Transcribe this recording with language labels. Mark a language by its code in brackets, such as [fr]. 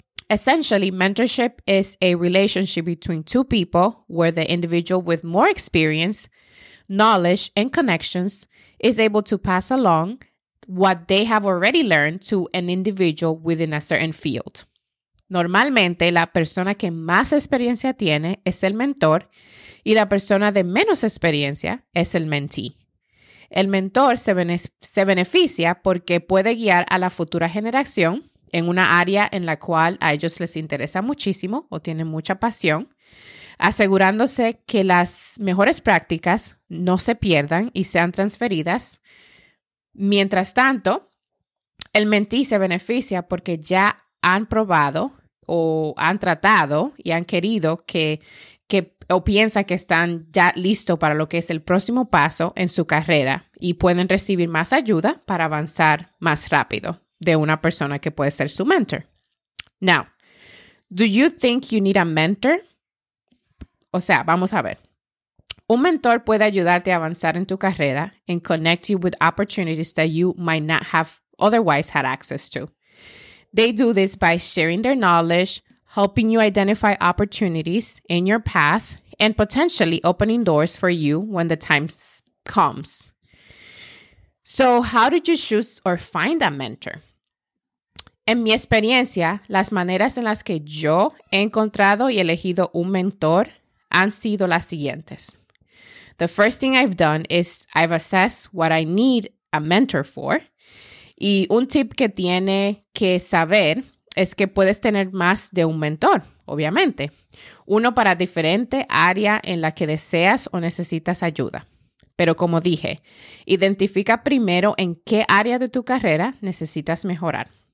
[en] Essentially, mentorship is a relationship between two people where the individual with more experience, knowledge, and connections is able to pass along what they have already learned to an individual within a certain field. [es] Normalmente, la persona que más experiencia tiene es el mentor y la persona de menos experiencia es el mentee. El mentor se beneficia porque puede guiar a la futura generación en una área en la cual a ellos les interesa muchísimo o tienen mucha pasión, asegurándose que las mejores prácticas no se pierdan y sean transferidas. Mientras tanto, el mentí se beneficia porque ya han probado o han tratado y han querido que o piensa que están ya listos para lo que es el próximo paso en su carrera y pueden recibir más ayuda para avanzar más rápido de una persona que puede ser su mentor. [en] Now, do you think you need a mentor? [es] O sea, vamos a ver. Un mentor puede ayudarte a avanzar en tu carrera [en] and connect you with opportunities that you might not have otherwise had access to. They do this by sharing their knowledge, helping you identify opportunities in your path, and potentially opening doors for you when the time comes. So, how did you choose or find a mentor? [es] En mi experiencia, las maneras en las que yo he encontrado y elegido un mentor han sido las siguientes. [en] The first thing I've done is I've assessed what I need a mentor for. [es] Y un tip que tiene que saber es que puedes tener más de un mentor, obviamente. Uno para diferente área en la que deseas o necesitas ayuda. Pero como dije, identifica primero en qué área de tu carrera necesitas mejorar.